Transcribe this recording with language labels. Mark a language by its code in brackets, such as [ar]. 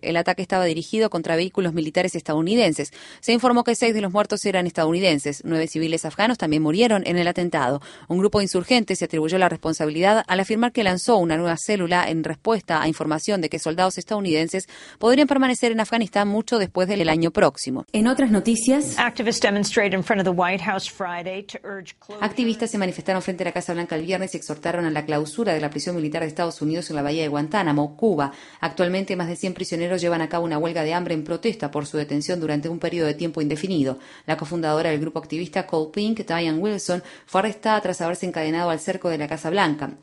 [es] El ataque estaba dirigido contra vehículos militares estadounidenses. Se informó que 6 de los muertos eran estadounidenses. 9 civiles afganos también murieron en el atentado. Un grupo insurgente se atribuyó la responsabilidad al afirmar que lanzó una nueva célula en respuesta a información de que soldados estadounidenses podrían permanecer en Afganistán mucho después del año próximo. En otras noticias, [en] activistas demonstrated in front of the White House Friday. [es] Activistas se manifestaron frente a la Casa Blanca el viernes y exhortaron a la clausura de la prisión militar de Estados Unidos en la bahía de Guantánamo, Cuba. Actualmente, más de 100 prisioneros llevan a cabo una huelga de hambre en protesta por su detención durante un periodo de tiempo indefinido. La cofundadora del grupo activista Cold Pink, Diane Wilson, fue arrestada tras haberse encadenado al cerco de la Casa Blanca.